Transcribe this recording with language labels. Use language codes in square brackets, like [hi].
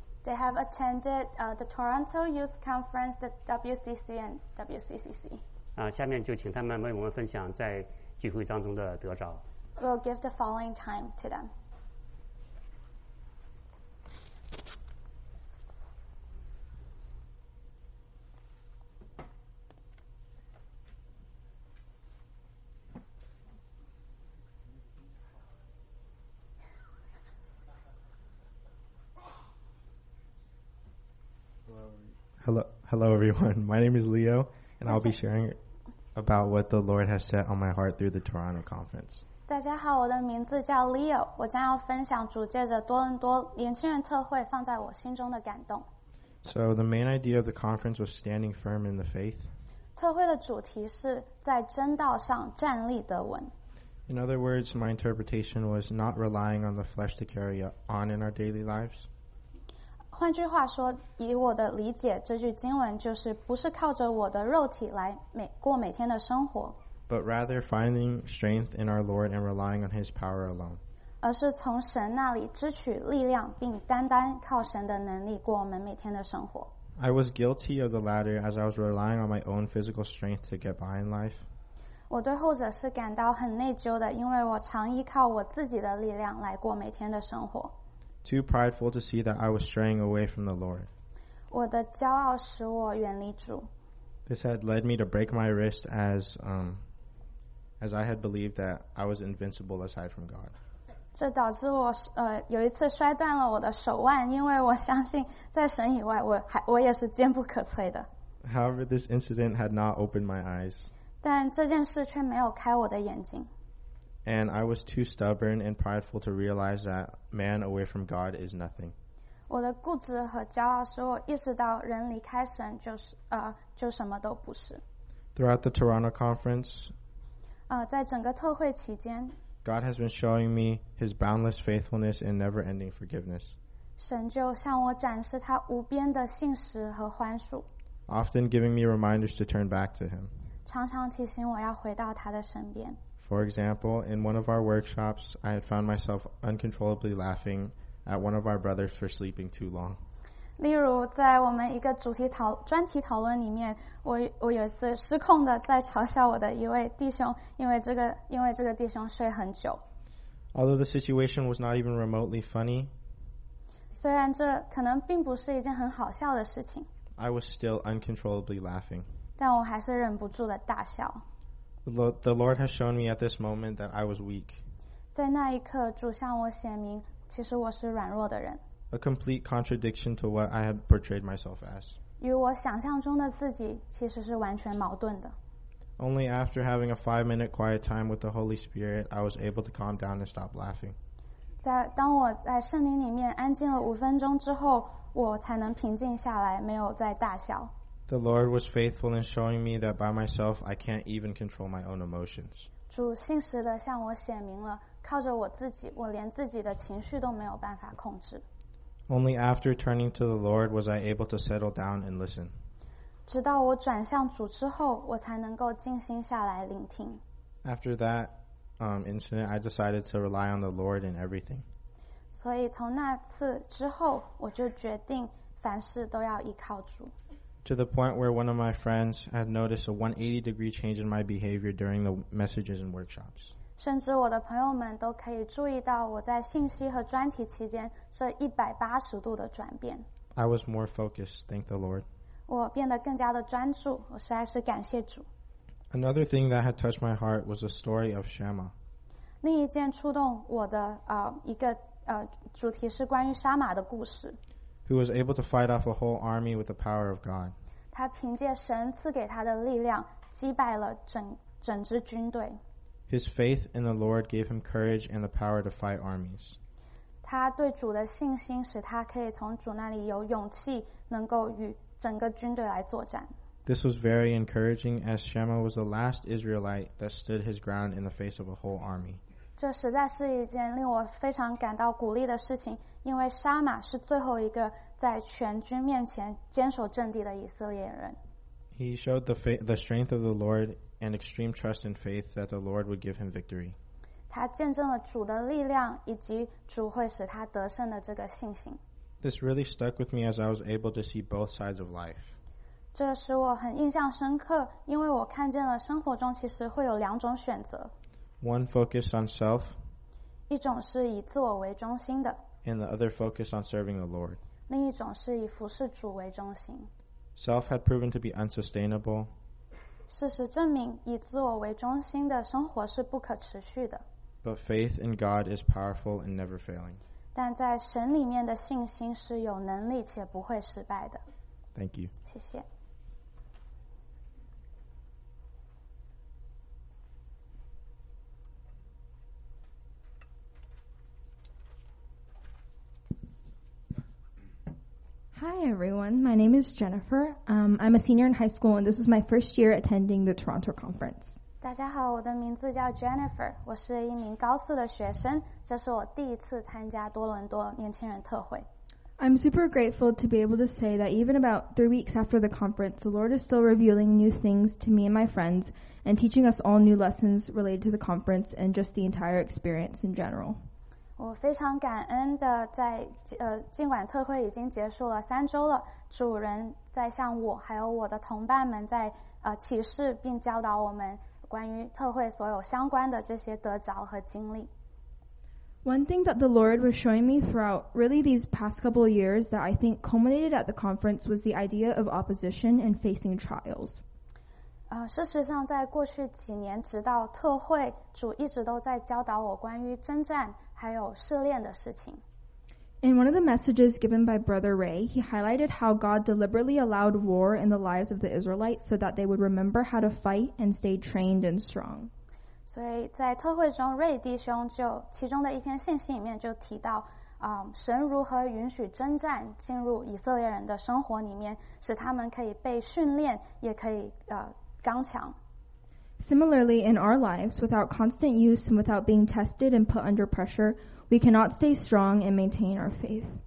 [en] They have attended the Toronto Youth Conference, the WCC and WCCC. [zh] 下面就请他们为我们分享在聚会当中的得着。 [en] We'll give the following time to them. Hello, everyone. My name is Leo, and I'll be sharing about what the Lord has set on my heart through the Toronto Conference. [zh] 大家好，我的名字叫 Leo， 我将要分享主借着多伦多年轻人特会放在我心中的感动。 [en] So the main idea of the conference was standing firm in the faith. [zh] 特会的主题是在真道上站立得稳。 [en] In other words, my interpretation was not relying on the flesh to carry on in our daily lives. [zh] 换句话说，以我的理解，这句经文就是不是靠着我的肉体来过每天的生活， [en] but rather finding strength in our Lord and relying on His power alone， [zh] 而是从神那里支取力量，并单单靠神的能力过我们每天的生活。 [en] I was guilty of the latter as I was relying on my own physical strength to get by in life。 [zh] 我对后者是感到很内疚的，因为我常依靠我自己的力量来过每天的生活。 [en] Too prideful to see that I was straying away from the Lord. [zh] 我的骄傲使我远离主。 [en] This had led me to break my wrist as I had believed that I was invincible aside from God. [zh] 这导致我有一次摔断了我的手腕，因为我相信在神以外，我也是坚不可摧的。 [en] However, this incident had not opened my eyes. [zh] 但这件事却没有开我的眼睛。 [en] And I was too stubborn and prideful to realize that man away from God is nothing. [zh] 我的固执和骄傲使我意识到人离开神就什么都不是。 [en] Throughout the Toronto Conference, [zh] 在整个特会期间， [en] God has been showing me His boundless faithfulness and never-ending forgiveness. [zh] 神就向我展示他无边的信实和宽恕， [en] often giving me reminders to turn back to Him. [zh] 常常提醒我要回到他的身边。 [en] For example, in one of our workshops, I had found myself uncontrollably laughing at one of our brothers for sleeping too long. [zh] 例如在我们一个专题讨论里面，我有一次失控的在嘲笑我的一位弟兄，因为这个弟兄睡很久。 [en] Although the situation was not even remotely funny, [zh] 虽然这可能并不是一件很好笑的事情， [en] I was still uncontrollably laughing. [zh] 但我还是忍不住的大笑。 [en] The Lord has shown me at this moment that I was weak. [zh] 在那一刻，主向我显明，其实我是软弱的人。 [en] A complete contradiction to what I had portrayed myself as. [zh] 与我想象中的自己其实是完全矛盾的。 [en] Only after having a 5-minute quiet time with the Holy Spirit, I was able to calm down and stop laughing. [zh] 在当我在圣灵里面安静了五分钟之后，我才能平静下来，没有再大笑。 [en] The Lord was faithful in showing me that by myself I can't even control my own emotions. [zh] 主信实地向我显明了，靠着我自己，我连自己的情绪都没有办法控制。 [en] Only after turning to the Lord was I able to settle down and listen. [zh] 直到我转向主之后，我才能够静心下来聆听。 [en] After that incident, I decided to rely on the Lord in everything. [zh] 所以从那次之后，我就决定凡事都要依靠主。 [en] To the point where one of my friends had noticed a 180 degree change in my behavior during the messages and workshops. [zh] 甚至我的朋友们都可以注意到我在信息和专题期间这180度的转变。 [en] I was more focused, thank the Lord. [zh] 我变得更加的专注，我实在是感谢主。 [en] Another thing that had touched my heart was the story of Shammah. [zh] 另一件触动我的一个主题是关于沙玛的故事。 [en] Who was able to fight off a whole army with the power of God. [zh] 他凭借神赐给他的力量击败了整支军队。 [en] His faith in the Lord gave him courage and the power to fight armies. [zh] 他对主的信心使他可以从主那里有勇气能够与整个军队来作战。 [en] This was very encouraging as Shammah was the last Israelite that stood his ground in the face of a whole army. [zh] 这实在是一件令我非常感到鼓励的事情。因为沙玛是最后一个在全军面前坚守阵地的以色列人。 [en] He showed the strength of the Lord and extreme trust and faith that the Lord would give him victory. [zh] 他见证了主的力量以及主会使他得胜的这个信心。 [en] This really stuck with me as I was able to see both sides of life. [zh] 这使我很印象深刻，因为我看见了生活中其实会有两种选择。 [en] One focused on self. [zh] 一种是以自我为中心的。 [en] And the other focused on serving the Lord. [zh] 另一种是以服侍主为中心。 [en] Self had proven to be unsustainable. [zh] 事实证明，以自我为中心的生活是不可持续的。 [en] But faith in God is powerful and never failing. [zh] 但在神里面的信心是有能力且不会失败的。 [en] Thank you. [zh] 谢谢。 [en] Hi everyone, my name is Jennifer. I'm a senior in high school and this is my first year attending the Toronto Conference. [zh] 大家好，我的名字叫 Jennifer， 我是一名高四的学生，这是我第一次参加多伦多年轻人特会。 [en] I'm super grateful to be able to say that even about 3 weeks after the conference, the Lord is still revealing new things to me and my friends and teaching us all new lessons related to the conference and just the entire experience in general. [zh] 我非常感恩的在尽管特会已经结束了三周了，主人在向我还有我的同伴们在启示并教导我们关于特会所有相关的这些得着和经历。 [en] One thing that the Lord was showing me throughout really these past couple of years that I think culminated at the conference was the idea of opposition and facing trials. [zh] 事实上在过去几年直到特会主一直都在教导我关于征战还有试炼的事情。 [en] In one of the messages given by Brother Ray, he highlighted how God deliberately allowed war in the lives of the Israelites so that they would remember how to fight and stay trained and strong. [zh] 所以在特会中瑞弟兄就其中的一篇信息里面就提到神如何允许征战进入以色列人的生活里面使他们可以被训练也可以刚强。 [en] Similarly, in our lives, without constant use and without being tested and put under pressure, we cannot stay strong and maintain our faith.